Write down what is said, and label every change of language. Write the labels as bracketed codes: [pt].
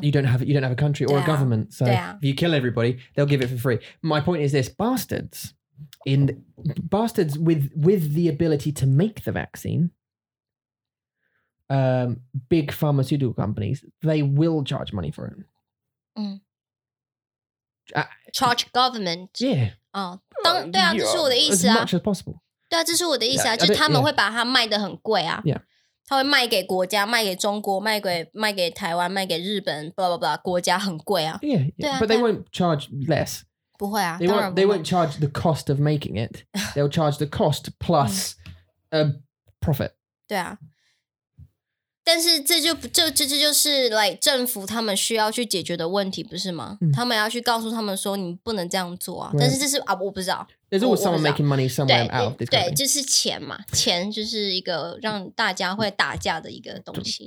[en] You don't have a country or a government. So if you kill everybody, they'll give it for free. My point is this, bastards with the ability to make the vaccine... big pharmaceutical companies, they will charge money for it. Charge government. Yeah. [zh] Oh, 当, 对啊, 这是我的意思啊。 [en] As much as possible. [zh] 对啊，这是我的意思啊，就他们会把它卖得很贵啊。 [en] Yeah. [zh] 他会卖给国家，卖给中国，卖给台湾，卖给日本， [en] blah blah blah， [zh] 国家很贵啊。 [en] Yeah, yeah. But they won't charge less. [zh] 不会啊。 [en] They won't charge the cost of making it. They'll charge the cost plus a profit. [zh] 对啊。但是这就是 like 政府他们需要去解决的问题，不是吗？他们要去告诉他们说你不能这样做啊。但是这是啊，我不知道。 [en] There's always someone making money somewhere out of this company. [zh] 对，就是钱嘛，钱就是一个让大家会打架的一个东西。